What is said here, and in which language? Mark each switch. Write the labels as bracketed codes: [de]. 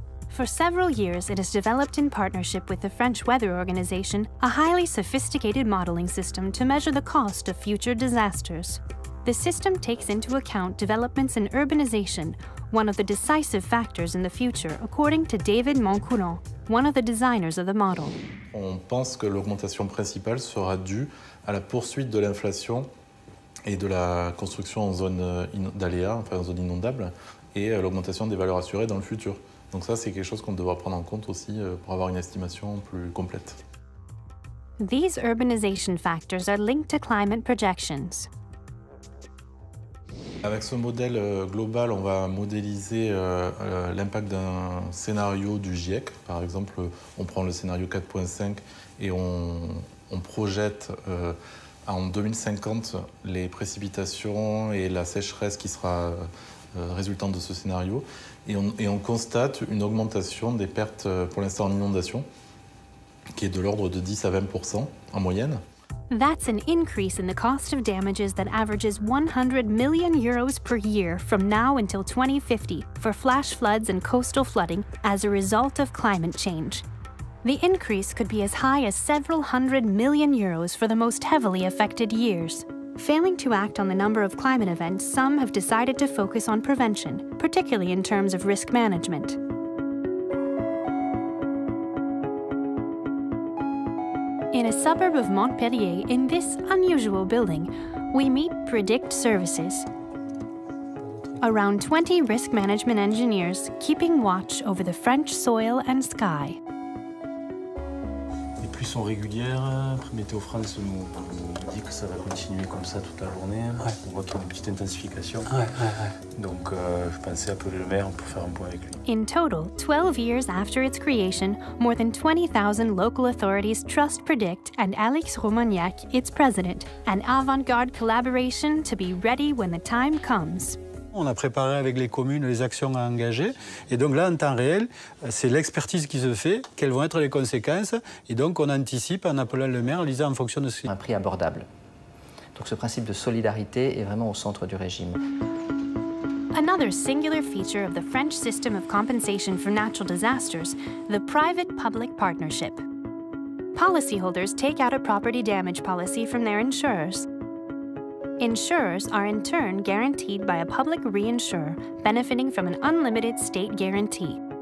[en] For several years, it has developed in partnership with the French Weather Organization a highly sophisticated modeling system to measure the cost of future disasters. The system takes into account developments in urbanization, one of the decisive factors in the future, according to David Moncoulon, one of the designers of the model. [fr] On pense que l'augmentation principale sera due à la poursuite de l'inflation et de la construction en zone d'aléa, enfin en zone inondable, et l'augmentation des valeurs assurées dans le futur. Donc ça, c'est quelque chose qu'on devra prendre en compte aussi pour avoir une estimation plus complète. [en] These urbanization factors are linked to climate projections. [fr] Avec ce modèle global, on va modéliser l'impact d'un scénario du GIEC. Par exemple, on prend le scénario 4.5 et on projette en 2050 les précipitations et la sécheresse qui sera résultante de ce scénario. Et on constate une augmentation des pertes pour l'instant en inondation, qui est de l'ordre de 10 à 20% en moyenne. [en] That's an increase in the cost of damages that averages 100 million euros per year from now until 2050 for flash floods and coastal flooding as a result of climate change. The increase could be as high as several hundred million euros for the most heavily affected years. Failing to act on the number of climate events, some have decided to focus on prevention, particularly in terms of risk management. In a suburb of Montpellier, in this unusual building, we meet Predict Services. Around 20 risk management engineers keeping watch over the French soil and sky. [fr] Les pluies sont régulières. Météo France nous dit que ça va continuer comme ça toute la journée. Ouais. On voit qu'il y a une petite intensification. Ouais. Donc, je pensais appeler le maire pour faire un point avec lui. [en] In total, 12 years after its creation, more than 20,000 local authorities trust Predict and Alex Romagnac, its president, an avant-garde collaboration to be ready when the time comes. [fr] On a préparé avec les communes les actions à engager. Et donc là, en temps réel, c'est l'expertise qui se fait, quelles vont être les conséquences. Et donc, on anticipe en appelant le maire, en lisant en fonction de ce qu'il y a. Un prix abordable. Donc ce principe de solidarité est vraiment au centre du régime. [en] Another singular feature of the French system of compensation for natural disasters, the private-public partnership. policyholders take out a property damage policy from their insurers. Insurers are in turn guaranteed by a public reinsurer benefiting from an unlimited state guarantee.